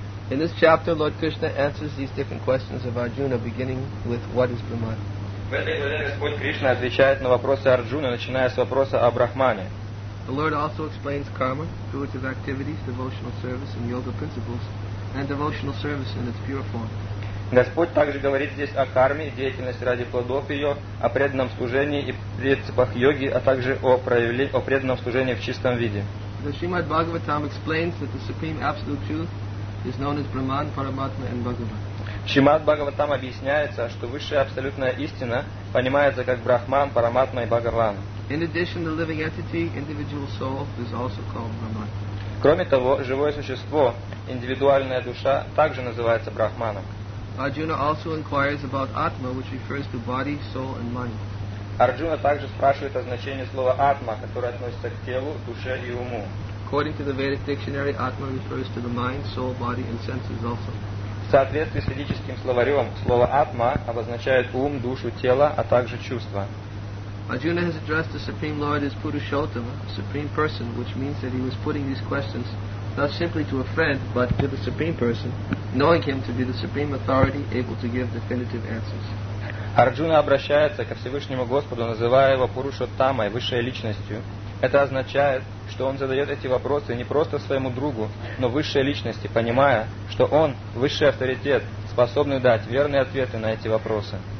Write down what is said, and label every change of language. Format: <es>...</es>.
<en>In this chapter, Lord Krishna answers these different questions of Arjuna, beginning with what is Brahman.</en> <ru>В этой главе Господь Кришна отвечает на вопросы Арджуны, начиная с вопроса о Брахмане.</ru> <en>The Lord also explains karma, fruitive activities, devotional service, and yoga principles, and devotional service in its pure form.</en> <ru>Господь также говорит здесь о карме, деятельности ради плодов ее, о преданном служении и принципах йоги, а также о преданном служении в чистом виде.</ru> <en>The Srimad Bhagavatam explains that the supreme absolute truth is known as Brahman, Paramatma, and Bhagavan.</en> <ru>Шримад Бхагаватам объясняется, что высшая абсолютная истина понимается как Брахман, Параматма и Бхагаван.</ru> <en>In addition, the living entity, individual soul, is also called Brahman.</en> <ru>Кроме того, живое существо, индивидуальная душа, также называется Брахманом.</ru> <en>Arjuna also inquires about Atma, which refers to body, soul, and mind.</en> <ru>Арджуна также спрашивает о значении слова Атма, которое относится к телу, душе и уму.</ru> <en>According to the Vedic dictionary, Atma refers to the mind, soul, body, and senses also.</en> <ru>В соответствии с ведическим словарем, слово «атма» обозначает ум, душу, тело, а также чувства.</ru> <en>Arjuna has addressed the Supreme Lord as Purushottama, Supreme Person, which means that he was putting these questions not simply to a friend, but to the Supreme Person, knowing him to be the Supreme Authority, able to give definitive answers.</en> <ru>Arjuna обращается ко Всевышнему Господу, называя его Пурушоттамой, Высшей Личностью. Это означает, что он задает эти вопросы не просто своему другу, но высшей личности, понимая, что он – высший авторитет, способный дать верные ответы на эти вопросы.</ru>